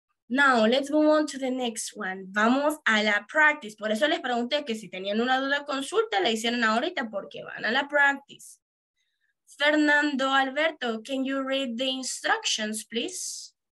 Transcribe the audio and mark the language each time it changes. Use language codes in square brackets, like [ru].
[en] Now, let's move on to the next one. [es] Vamos a la practice. Por eso les pregunté que si tenían una duda, consulta, la hicieron ahorita porque van a la practice. [en] Fernando Alberto, can you read the instructions, please?